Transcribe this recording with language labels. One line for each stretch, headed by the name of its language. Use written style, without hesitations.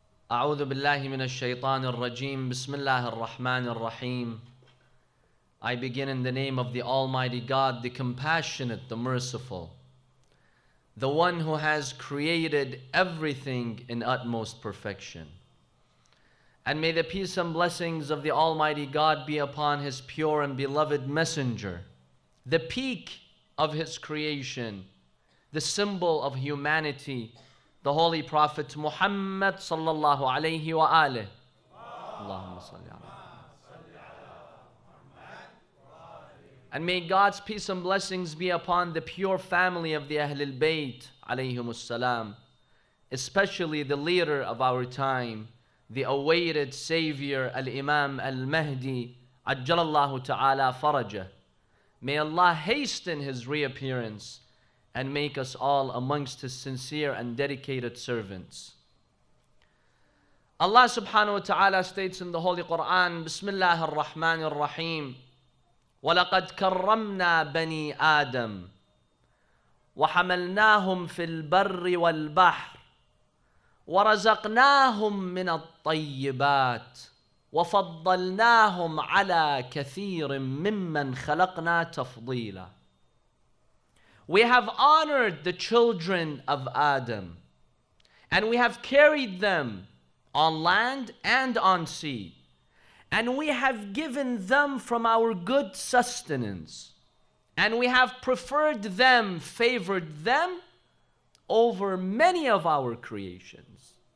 Arabic: أعوذ بالله من الشيطان الرجيم بسم الله الرحمن الرحيم.
English: I begin in the name of the Almighty God, the Compassionate, the Merciful, the one who has created everything in utmost perfection. And may the peace and blessings of the Almighty God be upon His pure and beloved Messenger, the peak of His creation, the symbol of humanity, the Holy Prophet Muhammad sallallahu alayhi wa alihi. Allahumma salli ala Muhammad. And may God's peace and blessings be upon the pure family of the Ahlul Bayt alayhim assalam, especially the leader of our time, the awaited Savior, Al-Imam Al-Mahdi, ajjalallahu ta'ala faraja. May Allah hasten his reappearance and make us all amongst his sincere and dedicated servants. Allah subhanahu wa ta'ala states in the Holy Quran, Bismillah ar-Rahman ar-Rahim,
Arabic: وَلَقَدْ كَرَّمْنَا بَنِي آدَمْ وَحَمَلْنَاهُمْ فِي الْبَرِّ وَالْبَحْرِ وَرَزَقْنَاهُمْ مِنَ الطَّيِّبَاتِ وَفَضَّلْنَاهُمْ عَلَى كَثِيرٍ مِّمَّنْ خَلَقْنَا تَفْضِيلًا.
English: We have honored the children of Adam, and we have carried them on land and on sea, and we have given them from our good sustenance, and we have preferred them, favored them over many of our creations.